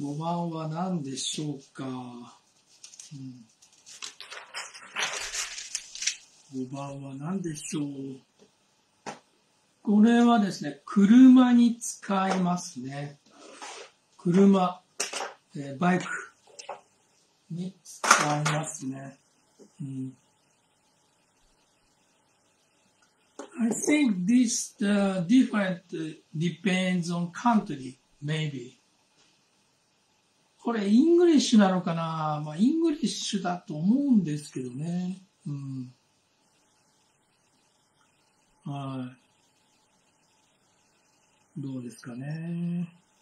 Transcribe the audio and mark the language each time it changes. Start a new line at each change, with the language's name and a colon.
Japanese: 5番は何でしょうか、うん、5番は何でしょう？これはですね、車に使いますね。車、バイクに使いますね。
English: うん、I think this different depends on country, maybe.
Japanese: これイングリッシュなのかな、まあ、イングリッシュだと思うんですけどね、うん、はい、どうですかね。